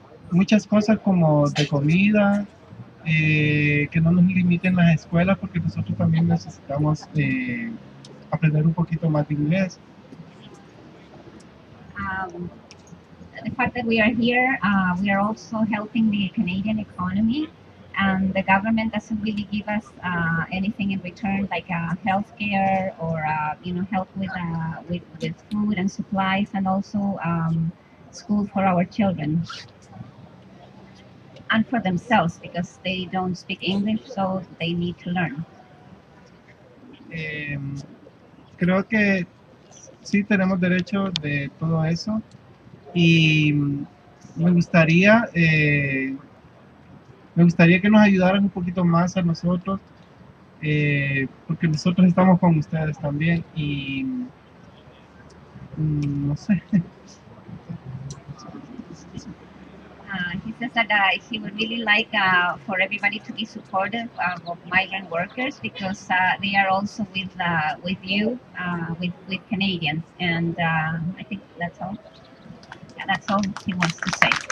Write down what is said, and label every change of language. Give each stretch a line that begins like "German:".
Spanish: muchas cosas como de comida, que no nos limiten las escuelas porque nosotros también necesitamos aprender un poquito más de inglés.
English: The fact that we are here, we are also helping the Canadian economy, and the government doesn't really give us anything in return, like healthcare or help with food and supplies, and also school for our children. And for themselves, because they don't speak English, so they need to learn.
Spanish: Creo que sí tenemos derecho de todo eso, y me gustaría que nos ayudaran un poquito más a nosotros, porque nosotros estamos con ustedes también, y no sé.
English: He says that he would really like for everybody to be supportive of migrant workers because they are also with you, with Canadians. And I think that's all. Yeah, that's all he wants to say.